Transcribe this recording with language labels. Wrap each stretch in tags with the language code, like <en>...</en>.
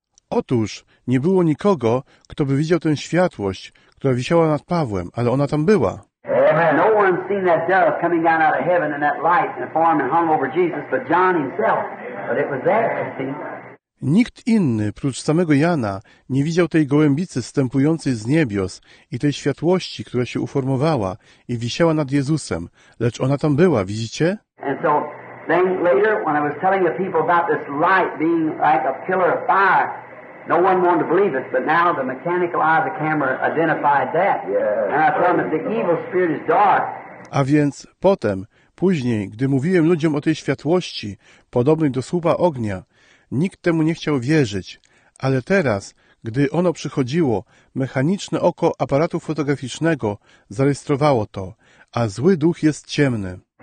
<pl>Otóż nie było nikogo, kto by widział tę światłość, która wisiała nad Pawłem, ale ona tam była. Amen.</pl> <en>No one seen that dove coming down out of heaven in that light in a form and hung over Jesus but John himself. But it was there, you see.</en> <pl>Nikt inny, prócz samego Jana, nie widział tej gołębicy zstępującej z niebios i tej światłości, która się uformowała i wisiała nad Jezusem, lecz ona tam była, widzicie?</pl> <en>And so, then later, when I was telling the people about this light being like a pillar of fire, no one wanted to believe it, but now the mechanical eye of the camera identified that. And I told them that the evil spirit is dark.</en> <pl>A więc potem, później, gdy mówiłem ludziom o tej światłości, podobnej do słupa ognia, nikt temu nie chciał wierzyć, ale teraz, gdy ono przychodziło, mechaniczne oko aparatu fotograficznego zarejestrowało to, a zły duch jest ciemny.</pl>